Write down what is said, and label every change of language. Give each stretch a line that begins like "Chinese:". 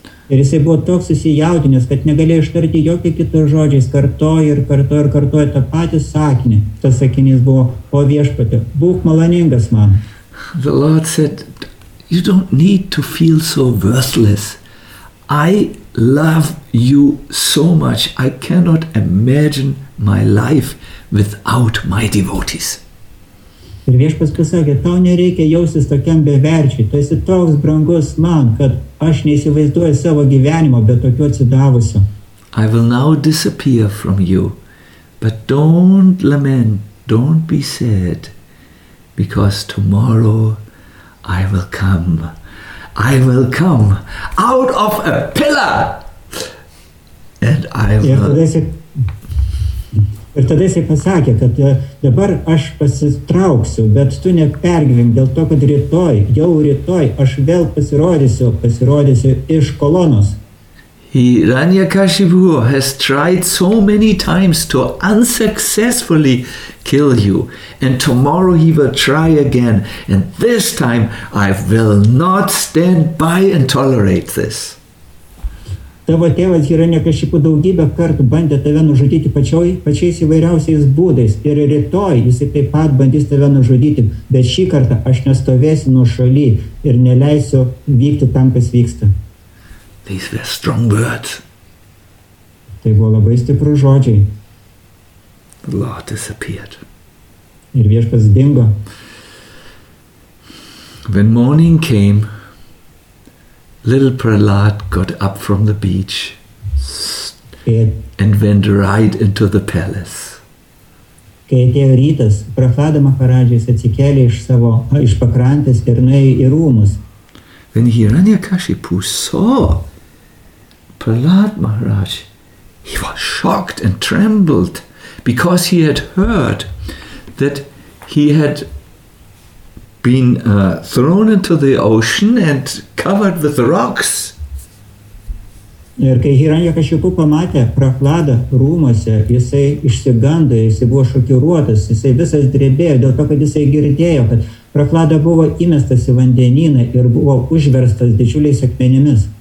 Lithuanian: Ir jisai buvo toks susijaudinęs, kad negalėjo ištarti jokio kito žodžio, jis kartojo ir kartojo ir kartojo tą patį sakinį. Tas sakinys buvo, "O viešpatė, būk maloningas man."
English: The Lord said, "You don't need to feel so worthless. I love you so much, I cannot imagine my life without my devotees."
Lithuanian: Ir viešpas pasakė, tau nereikia jaustis tokiam beverčiui, tu esi toks brangus man, kad aš neįsivaizduoju savo gyvenimo be tokių atsidavusių.
English: I will now disappear from you, but don't lament, don't be sad, because tomorrow I will come. I will come out of a pillar, and I will.
Lithuanian: Ir tada jis pasakė, kad dabar aš pasitrauksiu, bet tu nepergyvink dėl to, kad rytoj, jau rytoj, aš vėl pasirodysiu iš kolonos.
English: Hiranyakashipu has tried so many times to unsuccessfully kill you, and tomorrow he will try again, and this time I will not stand by and tolerate this.
Lithuanian: Tavo tėvas yra nekašipų daugybę kartų bandė tave nužudyti pačiais įvairiausiais būdais. Ir rytoj jisai taip pat bandys tave nužudyti, bet šį kartą aš nestovėsiu nuo šaly ir neleisiu vykti tam, kas vyksta.
English: These were strong words.
Lithuanian: Tai buvo labai stiprų žodžiai.
English: The Lord disappeared.
Lithuanian: Ir viešpas dingo.
English: When morning came, little Prahlad got up from the beach and went right into the palace.
Lithuanian: Kai atėjo rytas, Prahlada Maharajas atsikėlė iš pakrantės ir nuėjo į rūmus.
English: When Hiranyakashipu saw Prahlad Maharaj, he was shocked and trembled because he had heard that he had been thrown into the ocean and covered with rocks.
Lithuanian: Ir kai Hiranyakashipu pamatė Prahladą rūmose, jisai išsigando, jisai buvo šokiruotas, jisai visas drebėjo dėl to, kad jisai girdėjo, kad Prahlada buvo įmestas į vandenyną ir buvo užverstas didžiuliais akmenimis.